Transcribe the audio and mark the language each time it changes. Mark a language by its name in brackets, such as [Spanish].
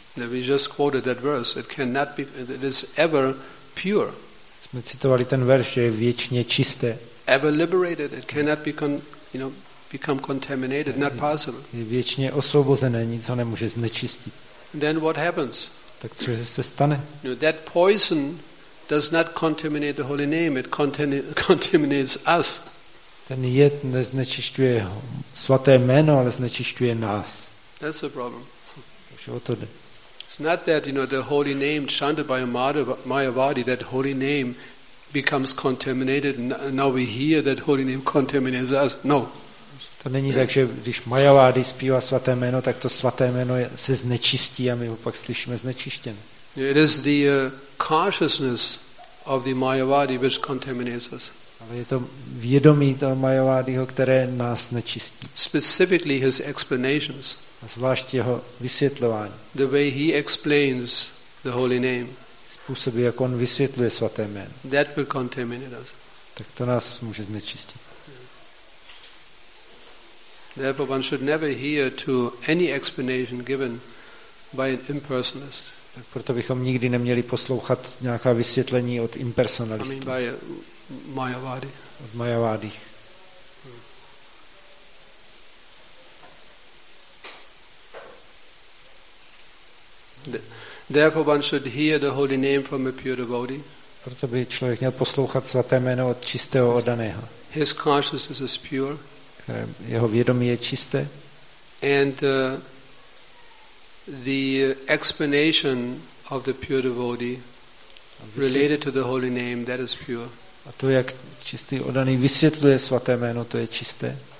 [English] We just quoted that verse. It cannot be. It is ever pure. [Czech] Jsme citovali ten verš, že je věčně čisté. [English] Ever liberated. It cannot be, you know, become contaminated. Not possible. [Czech] Je věčně osvobozené, nic ho nemůže znečistit. [English] Then what happens? [Czech] Tak co se stane? [English] You know, that poison does not contaminate the holy name. It contaminates us. [Czech] Ten jed neznečišťuje svaté jméno, ale znečišťuje nás. [English] That's the problem. [Czech] Takže o to jde. [English] It's not that, you know, the holy name chanted by Mayavadi, that holy name becomes contaminated. Now we hear that holy name contaminates us. No. [Czech] To není tak, že když Mayavadi zpívá svaté jméno, tak to svaté jméno se znečistí a my ho pak slyšíme znečištěn. [English] It is the consciousness of the Mayavadi which contaminates us. [Czech] Ale je to vědomí toho Mayavadiho, které nás nečistí. [English] Specifically his explanations. [Czech] A zvlášť jeho vysvětlování. [English] The way he explains the holy name. [Czech] Způsoby, jak on vysvětluje svaté jméno. [English] That will contaminate us. [Czech] Tak to nás může znečistit. [English] Therefore one should never hear to any explanation given by an impersonalist. [Czech] Tak proto bychom nikdy neměli poslouchat nějaká vysvětlení od impersonalistů. [English] Mayavadi. [Czech] Od Mayavadi. [English] Therefore one should hear the holy name from a pure devotee. [Czech] Proto by člověk měl poslouchat svaté jméno od čistého oddaného. [English] His consciousness is pure. [Czech] Jeho vědomí je čisté. [English] And the explanation of the pure devotee related to the holy name, that is pure. [Czech] A to, jak čistý oddaný vysvětluje svaté jméno, to je čisté.